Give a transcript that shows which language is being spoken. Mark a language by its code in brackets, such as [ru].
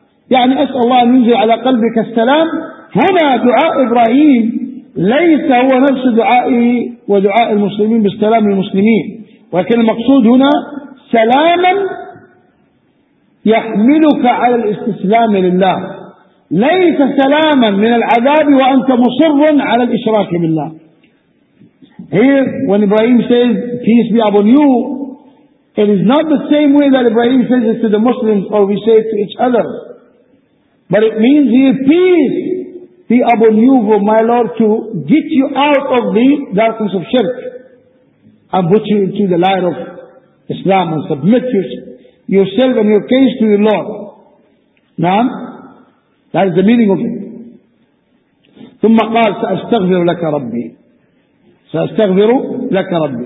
[ar] يعني أسأل الله أن ينزل على قلبك السلام. هنا دعاء إبراهيم ليس هو نفس دعائه ودعاء المسلمين بالسلام للمسلمين. ولكن المقصود هنا سلاما يحملك على الاستسلام لله. ليس سلاما من العذاب وأنت مصر على الإشراك بالله. [en] Here when Ibrahim says peace be upon you, it is not the same way that Ibrahim says it to the Muslims or we say it to each other, but it means here peace be upon you for my Lord to get you out of the darkness of shirk and put you into the light of Islam and submit yourself and your case to your Lord. Now, that is the meaning of it. [ar] ثم قال سأستغفر لك ربي سأستغفر لك ربي.